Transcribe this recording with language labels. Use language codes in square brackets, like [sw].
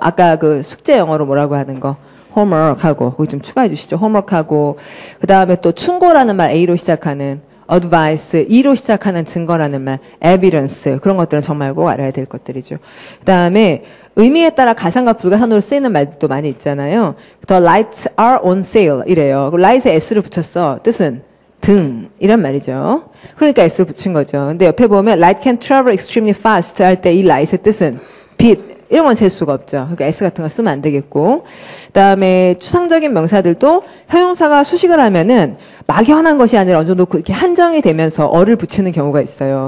[ko] 아까 그 숙제 영어로 뭐라고 하는 거. homework 하고. 거기 좀 추가해 주시죠. homework 하고. 그 다음에 또 충고라는 말 A로 시작하는. advice, E로 시작하는 증거라는 말, evidence, 그런 것들은 정말 꼭 알아야 될 것들이죠. 그 다음에 의미에 따라 가산과 불가산으로 쓰이는 말들도 많이 있잖아요. [en] The lights are on sale, 이래요. [ko] light에 S를 붙였어. 뜻은 등, 이런 말이죠. 그러니까 S를 붙인 거죠. 근데 옆에 보면 [en] light can travel extremely fast [ko] 할 때 이 light의 뜻은 빛, 이런 건 셀 수가 없죠. 그러니까 S 같은 거 쓰면 안 되겠고. 그 다음에 추상적인 명사들도 형용사가 수식을 하면은 막연한 것이 아니라 어느 정도 이렇게 한정이 되면서 어를 붙이는 경우가 있어요.